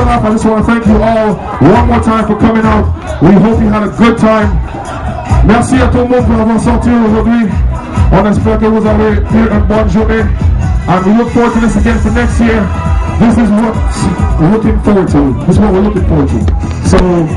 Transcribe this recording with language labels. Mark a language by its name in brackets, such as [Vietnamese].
[English] I just want to thank you all one more time for coming out. We hope you had a good time. [French] Merci à tout le monde pour avoir sorti aujourd'hui. On espère que vous avez eu une bonne journée. [English] And we look forward to this again for next year. This is what we're looking forward to. So.